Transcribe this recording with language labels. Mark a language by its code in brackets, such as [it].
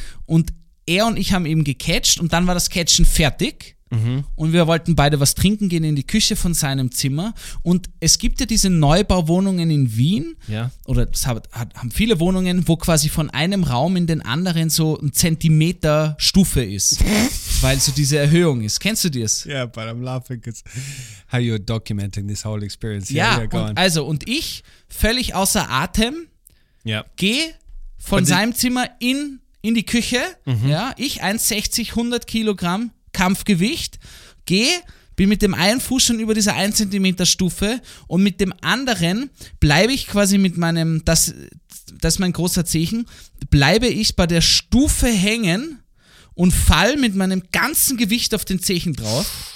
[de] Und er und ich haben eben gecatcht und dann war das Catchen fertig. Mhm. Und wir wollten beide was trinken gehen in die Küche von seinem Zimmer. Und es gibt ja diese Neubauwohnungen in Wien. Ja. Oder es haben viele Wohnungen, wo quasi von einem Raum in den anderen so ein Zentimeter Stufe ist. Weil so diese Erhöhung ist. Kennst du das? [en] Ja, yeah, but I'm laughing because how you're documenting this whole experience. [de] Ja, yeah, und also und ich, völlig außer Atem, yeah. gehe von seinem Zimmer in die Küche. Mhm. Ja, ich 1,60, 100 Kilogramm. Kampfgewicht, geh bin mit dem einen Fuß schon über dieser 1 cm Stufe und mit dem anderen bleibe ich quasi mit meinem, das ist mein großer Zehen, bleibe ich bei der Stufe hängen und fall mit meinem ganzen Gewicht auf den Zehen drauf.